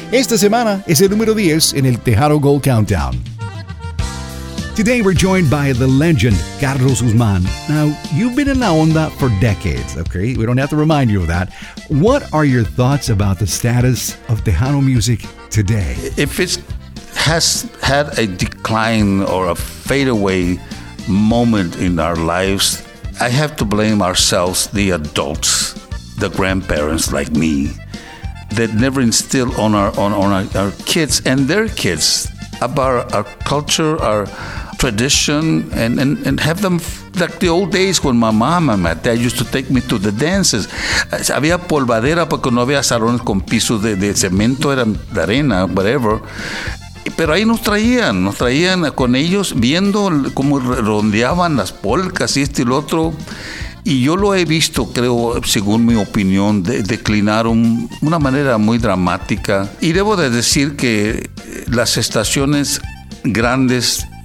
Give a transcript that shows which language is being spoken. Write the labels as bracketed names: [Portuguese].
[Spanish] Esta semana es el número 10 en el Tejano Gold Countdown. [English] Today we're joined by the legend, Carlos Guzmán. Now, you've been in la onda for decades, okay? We don't have to remind you of that. What are your thoughts about the status of Tejano music today? If it has had a decline or a fadeaway moment in our lives, I have to blame ourselves, the adults, the grandparents like me, that never instill on our kids and their kids about our culture, our tradition, and have them like the old days when my mom and my dad used to take me to the dances. [Spanish] Había polvadera porque no había salones con piso de cemento, era de arena, whatever. Pero ahí nos traían con ellos viendo cómo rondeaban las polcas y este y lo otro. Y yo lo he visto, creo, según mi opinión, declinar una manera muy dramática. Y debo de decir que las estaciones grandes